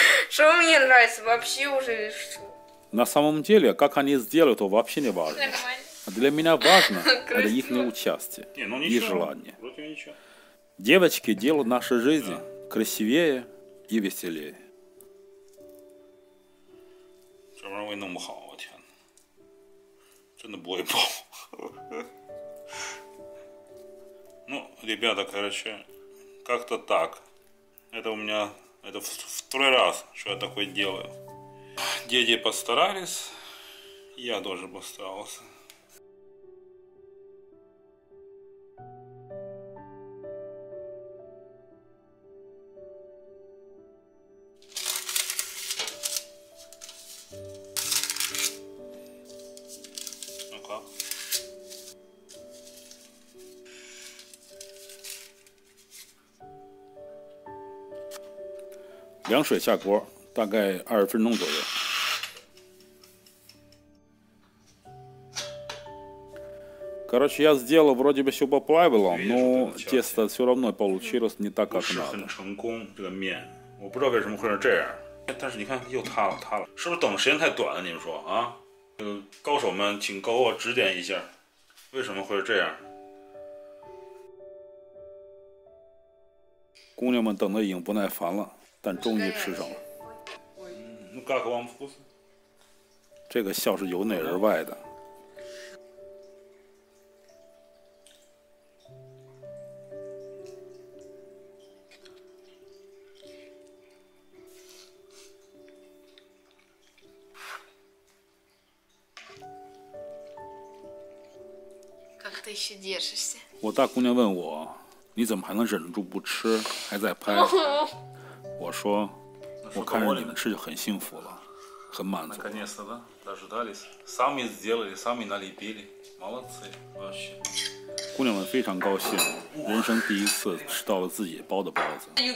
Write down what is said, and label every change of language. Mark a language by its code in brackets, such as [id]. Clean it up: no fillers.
[ru] Что мне нравится вообще уже? На самом деле, как они сделают, то вообще не важно. Для меня важно это их участие и желание. Девочки делают наши жизни красивее и веселее. [zh] 这玩意儿我也弄不好，我天哪，真的不会包。 [ru] Ну, ребята, короче, как-то так. Это у меня это второй раз, что я такое делаю. Дети постарались, я тоже постарался. [zh] 凉水下锅，大概20分钟左右。 [ru] Короче, я сделал вроде бы все по правилам, но тесто все равно получилось не так, как надо. [zh] 不是很成功，这个面，我不知道为什么会是这样。但是你看，又塌了，塌了，是不是等的时间太短了？你们说啊？高手们，请给我指点一下，为什么会是这样？姑娘们等的已经不耐烦了。但终于吃上了。这个笑是由内而外的。 [ru] Как ты еще держишься? Вот та [zh] 姑娘问我，你怎么还能忍住不吃，还在拍？我说，我看着你们吃就很幸福了，很满足。 [ru] Наконец-то, да? Дожидались. Сами сделали, сами налепили. Молодцы, вообще. [zh] 姑娘们非常高兴，人生第一次吃到了自己包的包子。